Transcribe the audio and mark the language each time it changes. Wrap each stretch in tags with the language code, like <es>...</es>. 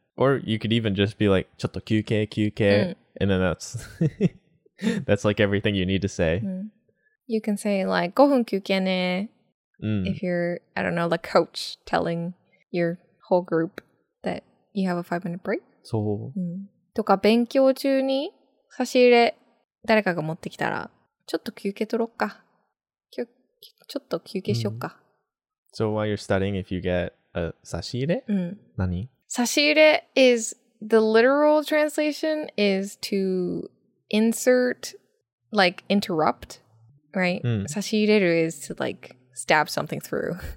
<en>Or you could even just be like, chotto kyūkei, kyūkei. And then that's that's like everything you need to say. You can say like, 5分 kyūkei ne. If you're, I don't know, the coach telling your whole group that you have a 5-minute break. So.</en> <ja>とか 勉強中に 差し入れ 誰かが持ってきたら ちょっと 休憩取ろっか. ちょっと休憩しようか.</ja> <en>So while you're studying, if you get a 差し入れ?</en> <ja>何?</ja> <en>差し入れ is the literal translation is to insert, like interrupt, right? 差し入れる is to like stab something through.</en>